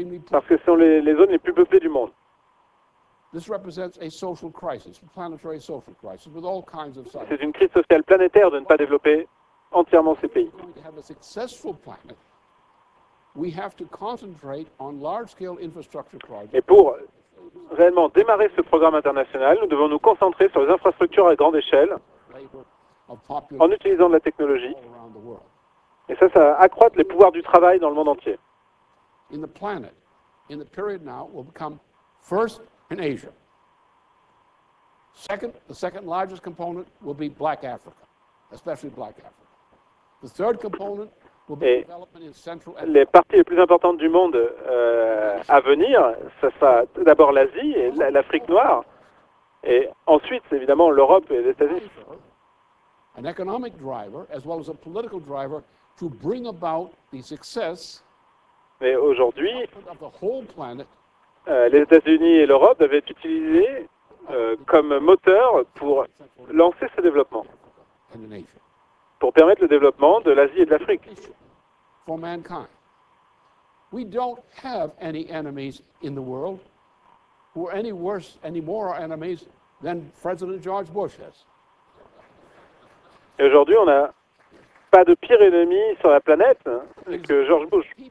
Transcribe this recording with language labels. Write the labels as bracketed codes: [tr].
[fr] Parce que ce sont les zones les plus peuplées du monde. [en] This represents a social crisis, a planetary social crisis with all kinds of sides. [fr] C'est une crise sociale planétaire de ne pas développer entièrement ces pays. [en] To have a successful planet, we have to concentrate on large-scale infrastructure projects. [fr] Et pour réellement démarrer ce programme international, nous devons nous concentrer sur les infrastructures à grande échelle en utilisant de la technologie. Et ça accroît les pouvoirs du travail dans le monde entier. [en] In the planet, in the period now will become first in Asia. Second, the second largest component will be Black Africa, especially Black Africa. The third component will be development in Central Africa. [fr] Les parties les plus importantes du monde à venir, ça sera d'abord l'Asie et l'Afrique noire, et ensuite évidemment l'Europe et les États-Unis. [en] An economic driver as well as a political driver to bring about the success. [fr] Mais aujourd'hui, [en] of the whole planet. [fr] Les États-Unis et l'Europe doivent être utilisés comme moteur pour lancer ce développement, pour permettre le développement de l'Asie et de l'Afrique. [en] For mankind, we don't have any enemies in the world who are any worse, any more enemies than President George Bush has. [fr] Et aujourd'hui, on n'a pas de pire ennemi sur la planète que George Bush.